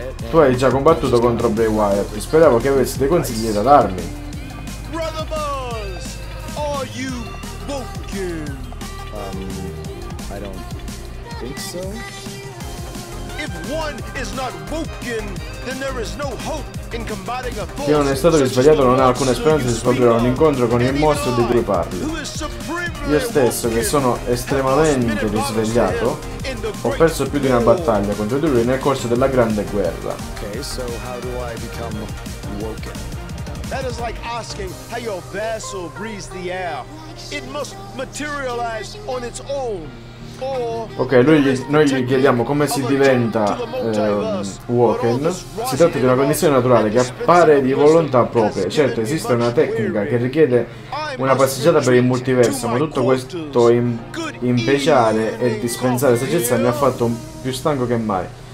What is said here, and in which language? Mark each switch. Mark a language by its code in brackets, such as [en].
[it] Tu hai già combattuto contro Bray Wyatt. Speravo che avessi dei consigli da darmi. [en] Brother Buzz, are you broken? I don't think so. If one is not woken, then there is no hope in combating a force. [it] Chi non è stato risvegliato non ha alcuna speranza di scoprire un incontro con il mostro di cui parli. Io stesso, che sono estremamente risvegliato, ho perso più di una battaglia contro di lui nel corso della Grande Guerra. [en] Okay, so how do I become woken? That is like asking how your vessel breathes the air. It must materialize on its own. [it] Ok, noi gli chiediamo come si diventa Woken. Si tratta di una condizione naturale che appare di volontà propria. Certo, esiste una tecnica che richiede una passeggiata per il multiverso, ma tutto questo impeciare e dispensare saggezza mi ha fatto più stanco che mai.